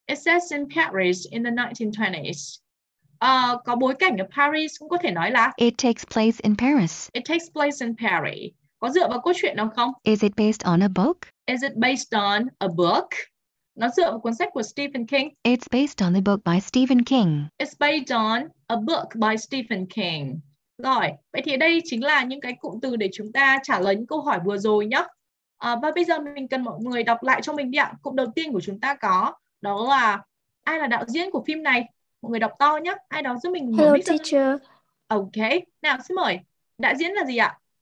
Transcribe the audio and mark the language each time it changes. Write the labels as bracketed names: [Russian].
[English] It's set in Paris in the 1920s. [Vietnamese] Có bối cảnh ở Paris cũng có thể nói là [English] It takes place in Paris. It takes place in Paris. [Vietnamese] Có dựa vào câu chuyện nào không? [English] Is it based on a book? Is it based on a book? [Vietnamese] Nó dựa vào cuốn sách của Stephen King. [English] It's based on the book by Stephen King. It's based on a book by Stephen King. [Vietnamese] Rồi, vậy thì đây chính là những cái cụm từ để chúng ta trả lời những câu hỏi vừa rồi nhé. Và bây giờ mình cần mọi người đọc lại cho mình đi ạ. Cụm đầu tiên của chúng ta có đó là ai là đạo diễn của phim này? Mọi người đọc to nhé. Ai đó giúp mình biết. [English] Hello teacher. [Vietnamese] Ok. Nào xin mời. Đạo diễn là gì ạ?